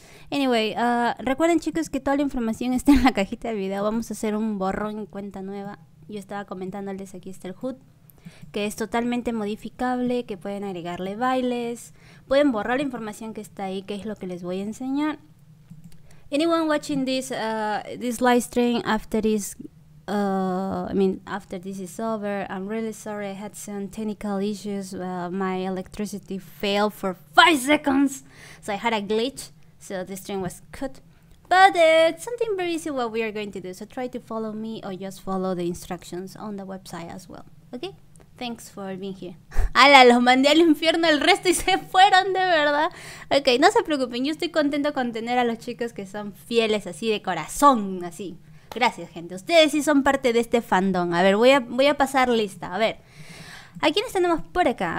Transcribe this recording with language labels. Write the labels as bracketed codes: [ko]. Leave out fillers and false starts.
[es] Anyway, recuerden chicos que toda la información está en la cajita de video, vamos a hacer un borrón y cuenta nueva. Yo estaba comentándoles, aquí está el hood, que es totalmente modificable, que pueden agregarle bailes, pueden borrar la información que está ahí, que es lo que les voy a enseñar. [en] Anyone watching this live stream after this, after this is over, I'm really sorry. I had some technical issues. My electricity failed for 5 seconds, so I had a glitch. So the stream was cut, but it's something very easy what we are going to do. So try to follow me or just follow the instructions on the website as well. Okay. Thanks for being here. [es] ¡Hala! Los mandé al infierno el resto y se fueron, de verdad. Ok, no se preocupen. Yo estoy contento con tener a los chicos que son fieles así de corazón. Así. Gracias, gente. Ustedes sí son parte de este fandom. A ver, voy a pasar lista. A ver, ¿a quiénes tenemos por acá?